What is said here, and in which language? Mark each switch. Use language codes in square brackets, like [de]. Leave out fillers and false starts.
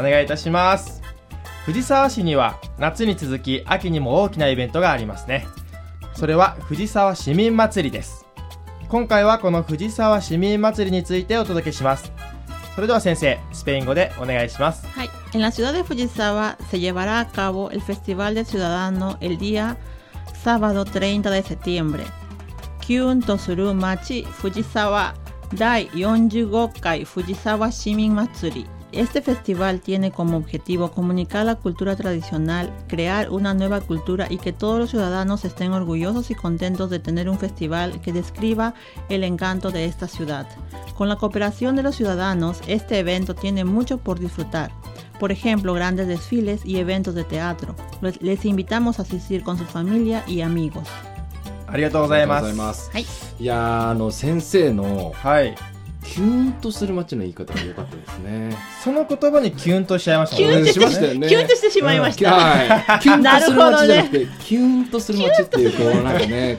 [ja] お願いいたします。藤沢市には夏に続き秋にも大きなイベントがありますね。それは藤沢市民祭りです。今回はこの藤沢市民祭りについてお届けします。それでは先生、スペイン語でお願いします。はい。 [es] En la ciudad de Fujisawa se llevará a cabo el Festival de Ciudadano el día sábado 30 de septiembre. [ja] キュンとする街藤沢第45回藤沢市民祭り。 [es] Este festival tiene como objetivo comunicar la cultura tradicional, crear una nueva cultura y que todos los ciudadanos estén orgullosos y contentos de tener un festival que describa el encanto de esta ciudad. Con la cooperación de los ciudadanos, este evento tiene mucho por disfrutar. Por ejemplo, grandes desfiles y eventos de teatro. Les invitamos a asistir con su familia y amigos. [ja] ありがとうございます。はい、いやー、先生の、はい、キュンとする街の言い方が良かったですね。その言葉にキュンとしちゃいました。キュンとしましたよね。キュンとしてしまいました。キュンとする街じゃなくて、キュンとする街っていう、こうなんかね、